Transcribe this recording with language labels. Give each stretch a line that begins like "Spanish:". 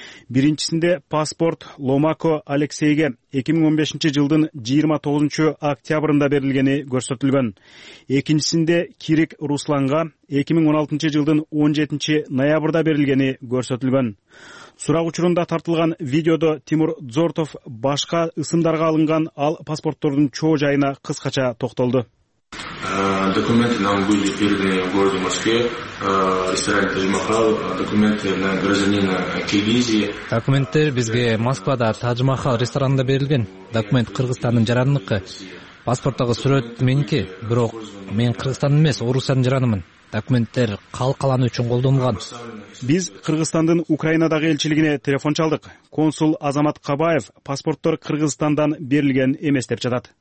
Kyrgyz: Биринчисинде паспорт Ломако Алексейге 2015-жылдын 29-октябрында берилгени көрсөтүлгөн. Экинчисинде Кирик Русланга 2016-жылдын 17-ноябрда берилгени көрсөтүлгөн. Сурак учурунда тартылган видеодо Тимур Дзортов башка ысымдарга алынган, ал паспорттордун чоо жайына кыскача токтолду.
Russian: Документы нам были переданы в городе Москве, ресторан Тадж-Махал, документы на гражданина Киргизии.
Kyrgyz: Документтер бизге Москвада Тадж-Махал ресторанында берилген. Документ Кыргызстандын жараныныкы. Паспорттогу сүрөт меники, бирок мен Кыргызстандын эмес, Орусиянын жаранымын. Документтер калкаланы үчүн колдонулган. Биз Кыргызстандын Украинадагы элчилигине телефон чалдык. Консул Азамат Кабаев паспорттор Кыргызстандан берилген эмес деп жатат.